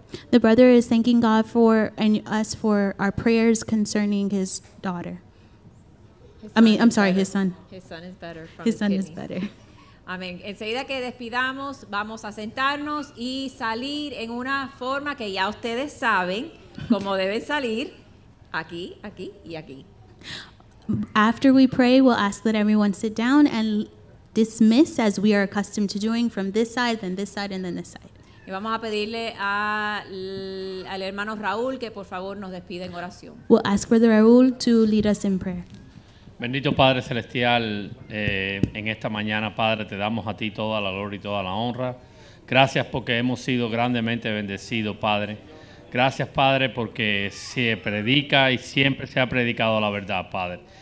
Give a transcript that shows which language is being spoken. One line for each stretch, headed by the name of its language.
English: The brother is thanking God for and us for our prayers concerning his daughter. His son. His son is better. His son is better.
Spanish: Amén. Enseguida que despidamos, vamos a sentarnos y salir en una forma que ya ustedes saben cómo deben salir. Aquí, aquí y aquí.
English: After we pray, we'll ask that everyone sit down and dismiss as we are accustomed to doing from this side, then this side, and then this side.
Spanish: Y vamos a pedirle al hermano Raúl que por favor nos despida en oración.
English: We'll ask Brother Raúl to lead us in prayer.
Spanish: Bendito Padre Celestial, en esta mañana, Padre, te damos a ti toda la gloria y toda la honra. Gracias porque hemos sido grandemente bendecidos, Padre. Gracias, Padre, porque se predica y siempre se ha predicado la verdad, Padre.